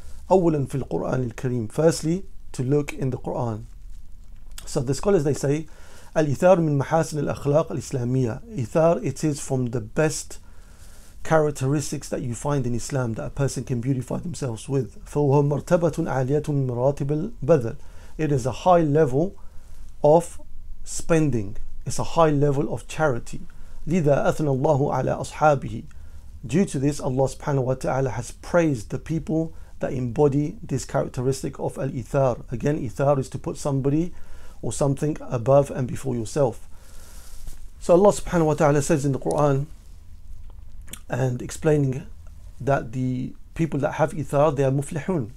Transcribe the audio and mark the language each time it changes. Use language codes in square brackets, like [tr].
[ar] أولاً في القرآن الكريم. [en] Firstly, to look in the Quran. So the scholars, they say, [ar] الإثار من محاسن الأخلاق الإسلامية. [en] Ithar, it is from the best characteristics that you find in Islam that a person can beautify themselves with. [ar] فهو مرتبة عالية من مراتب البذل. [en] It is a high level of spending. It's a high level of charity. [ar] لِذَا أَثْنَى اللَّهُ عَلَى أَصْحَابِهِ. [en] Due to this, Allah subhanahu wa ta'ala has praised the people that embody this characteristic of al-ithar. Again, ithar is to put somebody or something above and before yourself. So Allah subhanahu wa ta'ala says in the Quran and explaining that the people that have ithar, they are muflihun.